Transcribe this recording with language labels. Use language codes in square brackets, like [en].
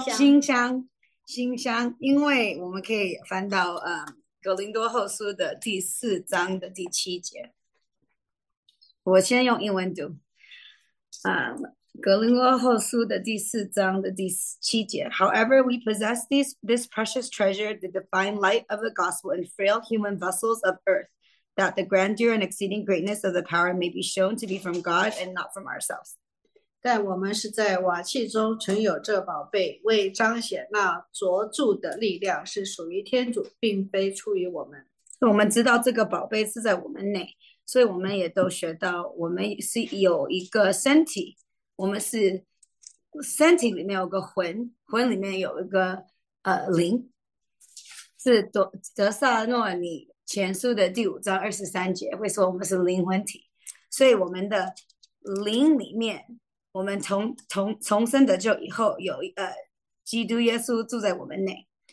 [zh] 馨香，馨香，因为我们可以翻到格林多后书的第4章的第7节。我先用英文读，格林多后书的第4章的第7节。 [en] However, we possess this precious treasure, the divine light of the gospel in frail human vessels of earth, that the grandeur and exceeding greatness of the power may be shown to be from God and not from ourselves. [zh] 但我们是在瓦器中存有这宝贝，为彰显那卓著的力量是属于天主，并非出于我们。我们知道这个宝贝是在我们内，所以我们也都学到，我们是有一个身体，我们是身体里面有个魂，魂里面有一个灵，是德萨诺尼前书的第5章23节会说我们是灵魂体，所以我们的灵里面，我们重生得救以后有基督耶稣住在我们内。